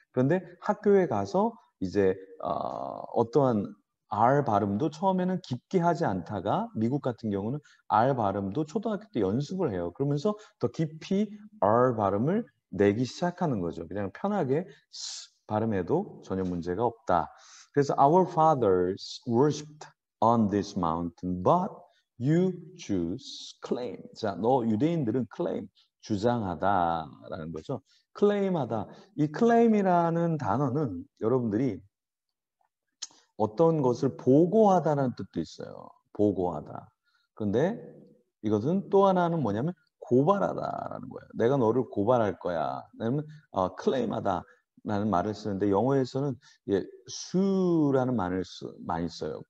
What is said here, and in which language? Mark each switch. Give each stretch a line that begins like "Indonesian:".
Korean: 그런데 학교에 가서 이제 어떠한 R 발음도 처음에는 깊게 하지 않다가 미국 같은 경우는 R 발음도 초등학교 때 연습을 해요. 그러면서 더 깊이 R 발음을 내기 시작하는 거죠. 그냥 편하게 발음해도 전혀 문제가 없다. 그래서
English: Our fathers worshipped on this mountain, but you Jews claim.
Korean: 자, 너 유대인들은 claim, 주장하다라는 거죠. claim 하다. 이 claim이라는 단어는 여러분들이 어떤 것을 보고하다라는 뜻도 있어요. 보고하다. 그런데 이것은 또 하나는 뭐냐면 고발하다라는 거예요. 내가 너를 고발할 거야. 왜냐면 클레임하다라는 말을 쓰는데 영어에서는 예, 수라는 말을 많이 써요.